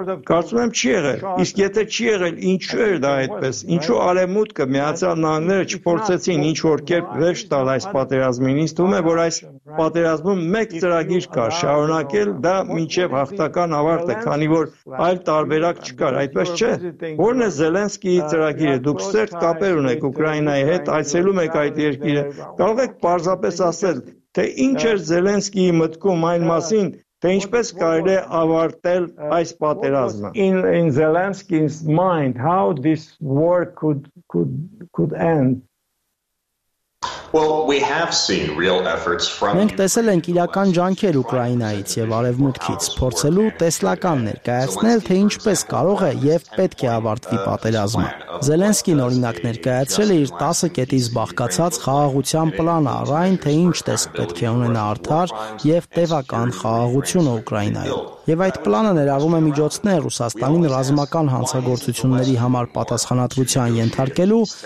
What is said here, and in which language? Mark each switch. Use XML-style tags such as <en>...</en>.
<hy>Կարծում եմ չի եղել։ Իսկ եթե չի եղել, ինչու էր դա այդպես։ Ինչու Արևմուտքը Միացյալ Նահանգները չփորձեցին ինչ որ կերպ վերջ տալ այս պատերազմին։ Ինձ թվում է, որ այս պատերազմում մեկ ծրագիր կա՝ շարունակել դա մինչև հաղթական ավարտը, քանի որ այլ տարբերակ չկար, այդպես չէ։ Որն է Զելենսկիի ծրագիրը, դուք սերտ կապեր ունեք Ուկրաինայի հետ, այցելում եք այդ երկիրը, կարող եք պարզապես ասել, թե ինչ էր Զելենսկիի մտքում այն մասին, թե ինչպես կարելի է ավարտել այս պատերազմը։</hy> <en>In Zelensky's mind, how this war could end? Well, we have seen real efforts from</en> <hy>Մենք տեսել ենք իրական ջանքեր Ուկրաինայից եւ Արևմուտքից, փորձելու տեսլական ներկայացնել, թե ինչպես կարող է եւ պետք է ավարտվի պատերազմը։ Զելենսկին օրինակ ներկայացրել է իր 10 կետից բաղկացած խաղաղության պլանը, այն թե ինչ տեսք պետք է ունենա արդար եւ տևական խաղաղությունը Ուկրաինայում։ Եվ այդ պլանը ներառում է միջոցներ Ռուսաստանին ռազմական հանցագործությունների համար պատասխանատվության ենթարկելու</hy>